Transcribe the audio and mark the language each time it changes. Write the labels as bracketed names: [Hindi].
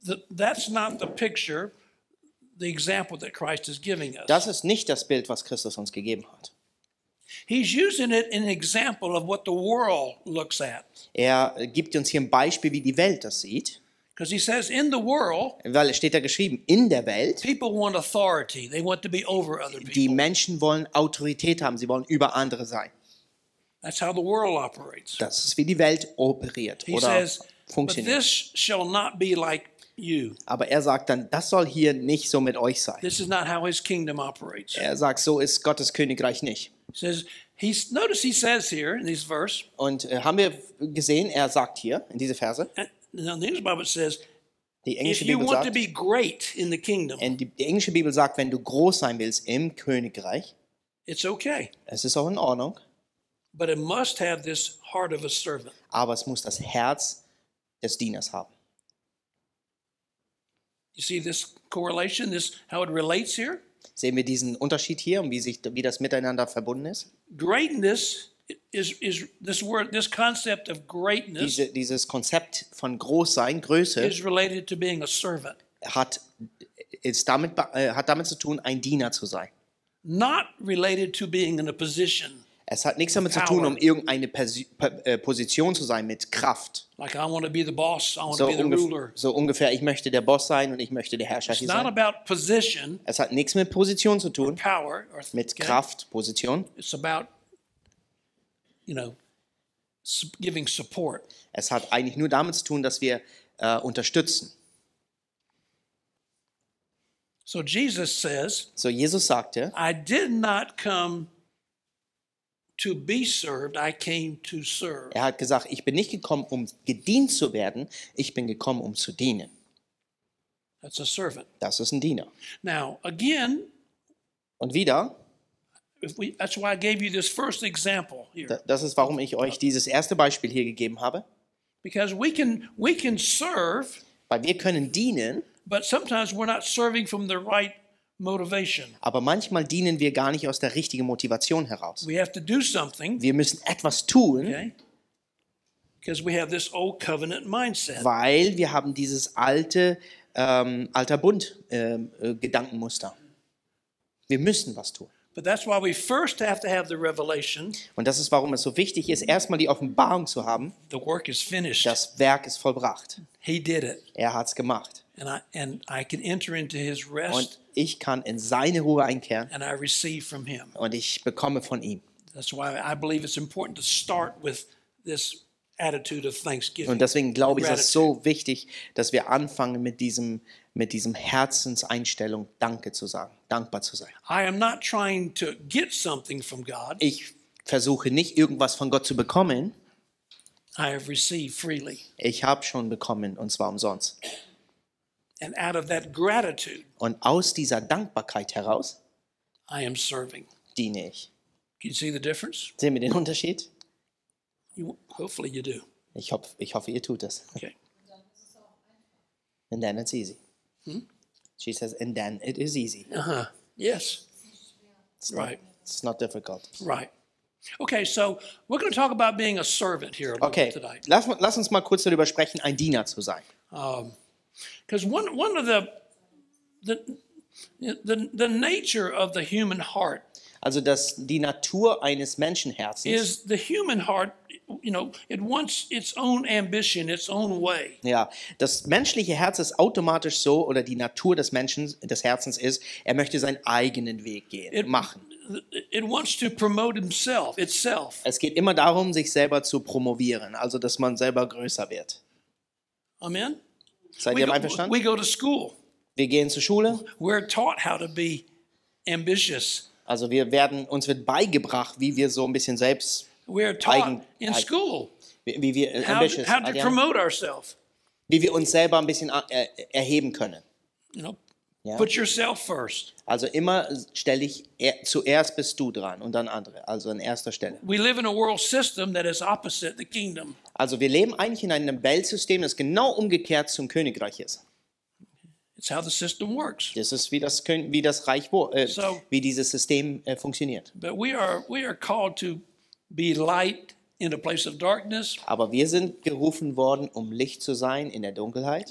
[English] That's not the picture, the example that Christ is giving us. [German] Das ist nicht das Bild, was Christus uns gegeben hat. [English] He's using it in an example of what the world looks at. [German] Er gibt uns hier ein Beispiel, wie die Welt das sieht. [English] Because he says in the world, [German] weil es steht da geschrieben in der Welt, [English] people want authority, they want to be over other people. [German] Die Menschen wollen Autorität haben, sie wollen über andere sein. [English] That's how the world operates. [German] Das ist wie die Welt operiert oder funktioniert. [English] But this shall not be like you. [German] Aber er sagt dann, das soll hier nicht so mit euch sein. [English] This is not how his kingdom operates. [German] Er sagt, so ist Gottes Königreich nicht. [English] He says, notice he says here in this verse. [German] Und haben wir gesehen, er sagt hier in diese Verse. [English] Now the English Bible says, "If you want [German] sagt, [English] to be great in the kingdom." [German] And die englische Bibel sagt, wenn du groß sein willst im Königreich, [English] it's okay. [German] Es ist auch in Ordnung. [English] But it must have this heart of a servant. [German] Aber es muss das Herz des Dieners haben. [English] You see this correlation? This how it relates here? [German] Sehen wir diesen Unterschied hier und wie das miteinander verbunden ist? [English] Greatness. Is this word, this concept of greatness, [German] dieses Konzept von Großsein, Größe, [English] is related to being a servant. [German] Hat damit zu tun, ein Diener zu sein. [English] not related to being in a position. [German] Es hat nichts damit zu tun, um irgendeine Position zu sein mit Kraft. [English] Like I want to be the boss, I want to be the ruler. [German] So ungefähr, ich möchte der Boss sein und ich möchte der Herrscher sein. [English] It's not about position. [German] Es hat nichts mit Position zu tun. [English] Power, [German] mit Kraft, Position. [English] It's about, you know, giving support. [German] Es hat eigentlich nur damit zu tun, dass wir unterstützen. [English] So Jesus says, [German] so Jesus sagte, [English] I did not come to be served, I came to serve. [German] Er hat gesagt, ich bin nicht gekommen, um gedient zu werden, ich bin gekommen, um zu dienen. [English] That's a servant. [German] Das ist ein Diener. [English] Now, again, [German] und wieder, [English] that's why I gave you this first example here. [German] Das ist, warum ich euch dieses erste Beispiel hier gegeben habe. [English] Because we can serve, [German] weil wir können dienen, [English] but sometimes we're not serving from the right motivation. [German] Aber manchmal dienen wir gar nicht aus der richtigen Motivation heraus. [English] We have to do something. [German] Wir müssen etwas tun. [English] Okay? Because we have this old covenant mindset. [German] Weil wir haben dieses alter Bund Gedankenmuster. Wir müssen was tun. [English] But that's why we first have to have the revelation. [German] Und das ist, warum es so wichtig ist, erstmal die Offenbarung zu haben. [English] The work is finished. [German] Das Werk ist vollbracht. [English] He did it. [German] Er hat's gemacht. [English] And I can enter into his rest. [German] Und ich kann in seine Ruhe einkehren. [English] And I receive from him. [German] Und ich bekomme von ihm. [English] That's why I believe it's important to start with this attitude of thanksgiving. [German] Und deswegen glaube ich, es ist so wichtig, dass wir anfangen mit diesem Herzenseinstellung Danke zu sagen, dankbar zu sein. [English] I am not trying to get something from God. [German] Ich versuche nicht, irgendwas von Gott zu bekommen. [English] I have received freely. [German] Ich habe schon bekommen, und zwar umsonst. [English] And out of that gratitude, [German] und aus dieser Dankbarkeit heraus, [English] I am serving. [German] Diene ich. [English] Can you see the difference? [German] Sehen wir den Unterschied? [English] Hopefully you do. [German] Ich hoffe, ihr tut es. [English] Okay. And then it's easy. She says, and then it is easy. Uh-huh. Yes. It's not, right. It's not difficult. Right. Okay, so we're going to talk about being a servant here a little okay. bit today. [German] Okay, lass uns mal kurz darüber sprechen, ein Diener zu sein. [English] Because one of the nature of the human heart. [German] Also das die Natur eines Menschenherzens. [English] Is the human heart, you know, it wants its own ambition, its own way. [German] Ja, das menschliche Herz ist automatisch so, oder die Natur des Menschen, des Herzens ist, er möchte seinen eigenen Weg gehen, machen. [English] It wants to promote himself, itself. [German] Es geht immer darum, sich selber zu promovieren, also dass man selber größer wird. [English] Amen. [German] Seid ihr einverstanden? [English] We go to school. [German] Wir gehen zur Schule. [English] We're taught how to be ambitious. [German] Also wir werden, uns wird beigebracht, wie wir so ein bisschen selbst [English] in school. [German] Wie wir ambitious, [English] how to promote ourselves. [German] Wie wir uns selber ein bisschen erheben können. [English] You know, yeah. Put yourself first. [German] Also immer stelle ich zuerst bist du dran und dann andere, also an erster Stelle. [English] We live in a world system that is opposite the kingdom. [German] Also wir leben eigentlich in einem Weltsystem, das genau umgekehrt zum Königreich ist. [English] It's how the system works. [German] Das ist wie das Reich wie dieses System funktioniert. [English] But we are called to be light in a place of darkness. [German] Aber wir sind gerufen worden, um Licht zu sein in der Dunkelheit.